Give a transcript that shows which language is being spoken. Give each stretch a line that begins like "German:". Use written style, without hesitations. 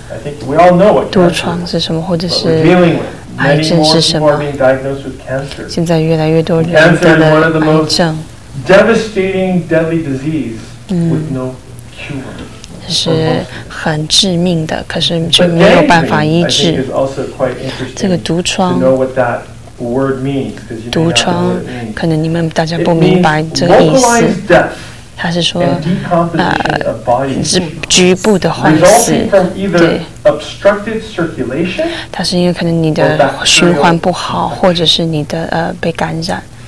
English: I think we all know what cancer is.
Chinese: 毒疮是什么， 或者是
English: what we're dealing with. Many more people are being diagnosed with cancer.
Chinese: 现在越来越多人得了癌症。
English: Cancer is one of the most devastating, deadly disease with no cure.
Chinese: 是很致命的， 可是却没有办法医治。
English: But gangrene, I think, is also quite interesting to know what that word means.
Chinese: 毒疮，可能你们大家不明白这个意思。
English: It means localized death.
Chinese: 它是说，
English: resulting from either obstructed circulation,
Chinese: 它是因为可能你的循环不好， 或者是你的 被感染。